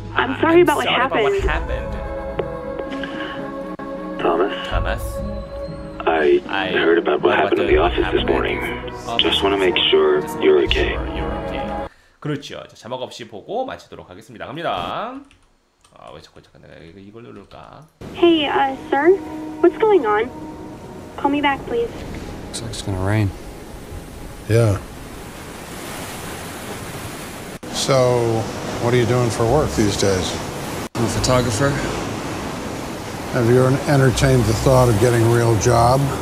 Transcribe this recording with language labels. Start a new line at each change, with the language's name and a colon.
English: I'm sorry about what happened. Thomas? I heard about what happened in the office this morning. Just want to make sure you're okay.
Korean: 그렇죠. 자, 자막 없이 보고 마치도록 하겠습니다. 갑니다. 아, 왜 자꾸 내가 이걸 누를까?
English: Hey, sir? What's going on? Call me back, please. Looks like it's gonna rain. Yeah. So, what are you doing for work these days? I'm a photographer. Have you entertained the thought of getting a real job?